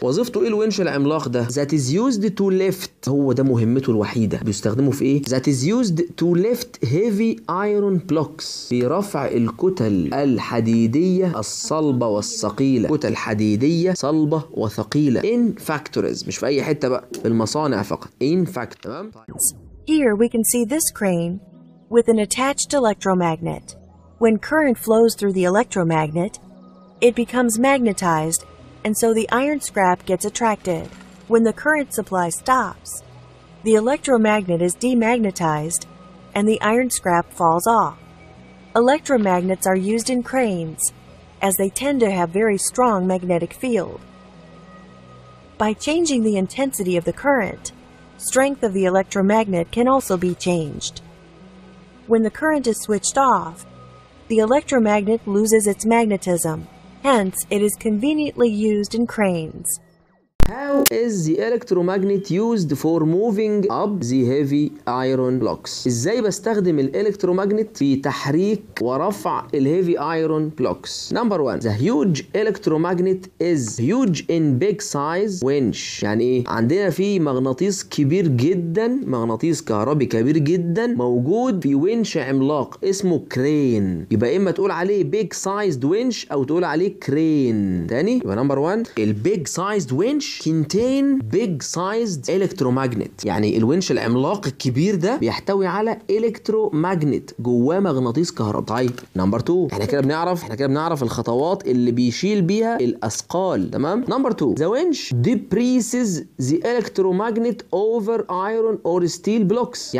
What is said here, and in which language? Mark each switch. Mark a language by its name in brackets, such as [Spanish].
[Arabic] وظيفته ايه الونش العملاق ده؟ [English] that is used to lift, [Arabic] هو ده مهمته الوحيده. بيستخدمه في ايه؟ [English] that is used to lift heavy iron blocks, [Arabic] لرفع الكتل الحديدية الصلبة والثقيلة. كتل حديدية صلبة وثقيلة. [English] In factories، [Arabic] مش في أي حتة بقى، في المصانع فقط. [English] In factories. Here we can see this crane with an attached electromagnet. When current flows through the electromagnet, it becomes magnetized and so the iron scrap gets attracted. When the current supply stops, the electromagnet is demagnetized and the iron scrap falls off. Electromagnets are used in cranes, as they tend to have very strong magnetic field. By changing the intensity of the current, strength of the electromagnet can also be changed. When the current is switched off, the electromagnet loses its magnetism, hence it is conveniently used in cranes. How is the electromagnet used for moving up the heavy iron blocks? [Arabic] ازاي بستخدم الالكترومغنت في تحريك ورفع ال heavy iron blocks? [English] Number 1. The huge electromagnet is huge in big size winch. [Arabic] يعني ايه؟ عندنا في مغناطيس كبير جدا، مغناطيس كهربي كبير جدا موجود في وينش عملاق اسمه كرين. يبقى اما تقول عليه big sized winch او تقول عليه كرين. تاني يبقى [English] number 1 ال big sized winch contain big sized electromagnet. [Arabic] يعني الونش العملاق الكبير ده بيحتوي على electromagnet، جواه مغناطيس كهرباء. طيب نمبر 2، احنا كده بنعرف الخطوات اللي بيشيل بيها الاثقال. [English] تمام. Number 2 the winch depresses the electromagnet over iron or steel blocks.